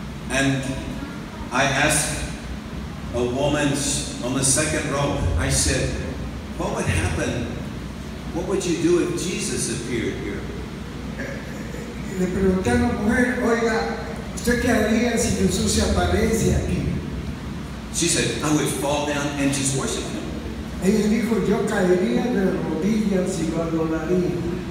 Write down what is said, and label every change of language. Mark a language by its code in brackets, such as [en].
[en] And I asked a woman on the second row, I said, what would happen? What would you do if Jesus appeared here? [es] Le pregunté a la mujer, oiga, ¿usted qué haría si Jesús se aparece aquí? [en] She said, I would fall down and just worship him. [es] Ella dijo, yo caería de rodillas y lo adoraría.